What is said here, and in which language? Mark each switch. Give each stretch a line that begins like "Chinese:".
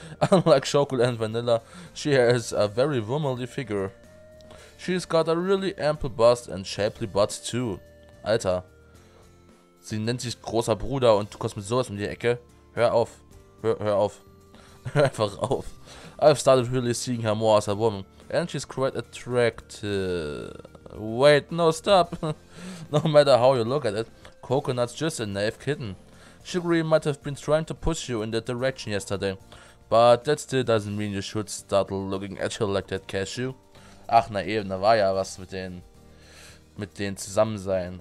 English: Unlike Chocolate and Vanilla, she has a very womanly figure. She's got a really ample bust and shapely butt too.
German: Alter, sie nennt sich großer Bruder und du kommst mit sowas um die Ecke. Hör auf. Hör auf. Hör einfach auf.
English: I've started really seeing her more as a woman. And she's quite attractive. Wait, no, stop. No matter how you look at it, Coconut's just a naive kitten. Shigiri might have been trying to push you in that direction yesterday, but that still doesn't mean you should start looking at her like that, Cashew.
German: Ach, na eben, da war ja was mit den Zusammensein.